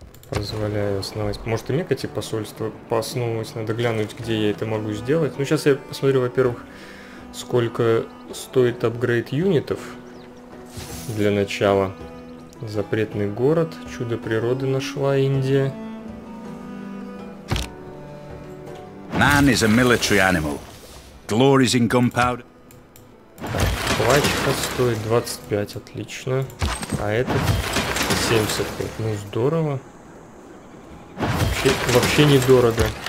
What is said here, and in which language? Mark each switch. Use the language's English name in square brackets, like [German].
[Russian] Позволяю основать, может и мекать и посольство поосновывать, надо глянуть, где я это могу сделать. Ну сейчас я посмотрю, во-первых, сколько стоит апгрейд юнитов для начала. Запретный город. Чудо природы нашла Индия. [English] Man is a military animal. Glory is in gunpowder. [Russian] Так, плачка стоит 25, отлично. А этот 75. Ну здорово. Вообще недорого.